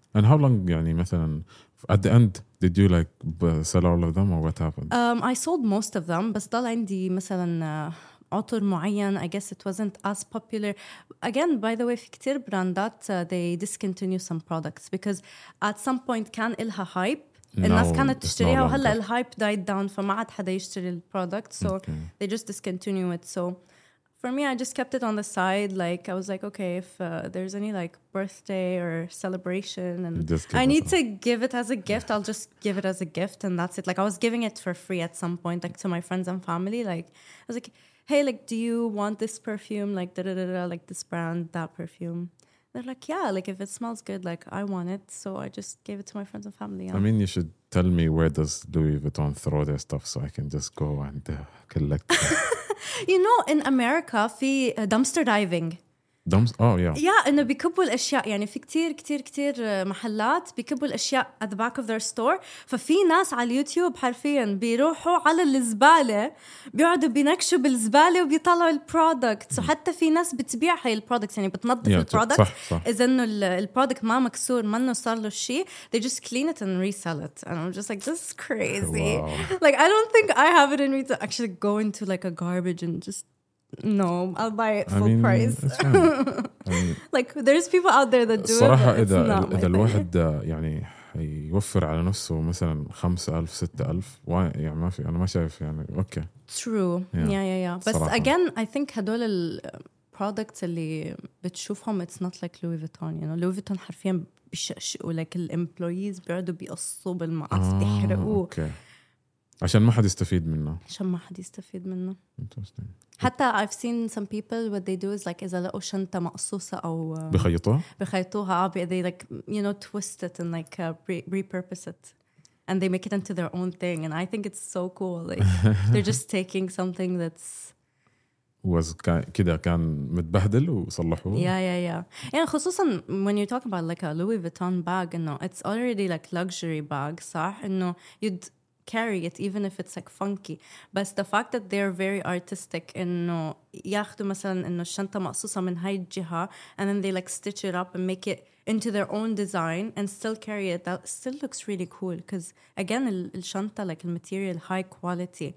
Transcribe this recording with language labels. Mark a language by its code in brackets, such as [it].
[en] And how long, [ar] يعني مثلا, [en] at the end, did you like sell all of them or what happened? I sold most of them, but still [ar] عندي مثلا عطر معين. [en] I guess it wasn't as popular. Again, by the way, [ar] في كتير براندات [en] they discontinue some products because at some point [ar] كان إلها [en] hype. [ar] الناس كانت تشتريها وهلا ال hype [en] died down, [ar] فما عاد حدا يشتري ال product, [en] so they just discontinue it. So for me, I just kept it on the side. Like, I was like, okay, if there's any, like, birthday or celebration and I need to give it as a gift, I'll just give it as a gift and that's it. Like, I was giving it for free at some point, like, to my friends and family. Like, I was like, hey, like, do you want this perfume? Like, da-da-da-da, like, this brand, that perfume. They're like, yeah, like, if it smells good, like, I want it. So I just gave it to my friends and family. Yeah. I mean, you should tell me where does Louis Vuitton throw their stuff so I can just go and collect it. You know, in America, في dumpster diving. Yeah, [ar] بيكبوا الأشياء, يعني في كتير كتير كتير محلات بيكبوا الأشياء [en] at the back of their store. [ar] ففي ناس على اليوتيوب حرفياً بيروحوا على الزبالة, بيقعدوا بينكشوا بالزبالة وبيطلعوا البرودكت. وحتى في ناس بتبيع هاي البرودكت, يعني بتنظف البرودكت. إذا إنه البرودكت ما مكسور, ما إنه صار له شيء, [en] they just clean it and resell it. And I'm just like, this is crazy. Wow. Like, I don't think I have it in me to actually go into like a garbage and just... No, I'll buy it full price. Like, there's people out there that do [ar] صراحة [en] it. [ar] إذا إذا الواحد يعني يوفر على نفسه مثلاً 5,000-6,000, يعني ما في, أنا ما شايف يعني okay. [en] True. Yeah. But again, I think [ar] هدول [en] products [ar] اللي بتشوفهم, [en] it's not like Louis Vuitton. [ar] You know, Louis Vuitton حرفياً بيشقشقوا, [en] like the employees [ar] بيقعدوا بيقصوا بالمقص, بيحرقوه. Okay. عشان ما حد يستفيد منه. عشان ما حد يستفيد منه. [en] Interesting. حتى I've seen some people what they do is like [ar] إذا لقوا شنطة مقصوصة أو بخيطوها [en] they like you know twist it and like repurpose it and they make it into their own thing and I think it's so cool, like they're just taking something that's [ar] was كده كان متبهدل وصلحوه. [en] Yeah. [ar] يعني خصوصا [en] when you talk about like a Louis Vuitton bag, you know, it's already like luxury bag, صح, إنه you'd carry it even if it's like funky, but the fact that they're very artistic [ar] إنه ياخدوا مثلاً إنه الشنطة مقصوصة من هاي الجهة [en] and then they like stitch it up and make it into their own design and still carry it, that still looks really cool because again الشنطة like the material high quality